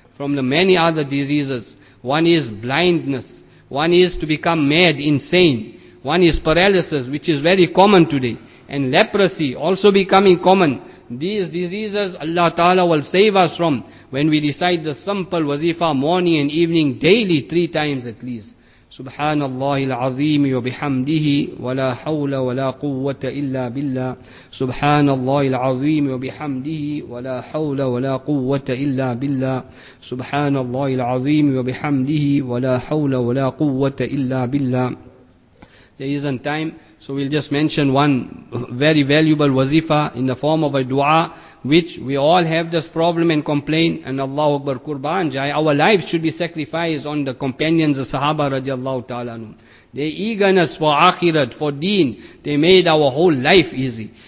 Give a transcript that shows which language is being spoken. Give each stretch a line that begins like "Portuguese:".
English: From the many other diseases, one is blindness, one is to become mad, insane, one is paralysis, which is very common today, and leprosy also becoming common. These diseases Allah Ta'ala will save us from when we recite the simple wazifa morning and evening daily three times at least. So
Arabic: سبحان الله العظيم وبحمده ولا حول ولا قوة إلا بالله سبحان الله العظيم وبحمده ولا حول ولا قوة إلا بالله سبحان الله العظيم وبحمده ولا حول ولا قوة إلا بالله.
English: There isn't time, so we'll just mention one very valuable wazifa in the form of a dua, which we all have this problem and complain, and Allahu Akbar Qurban Jai, our lives should be sacrificed on the companions of Sahaba radiallahu ta'ala. Their eagerness for akhirat, for deen, they made our whole life easy.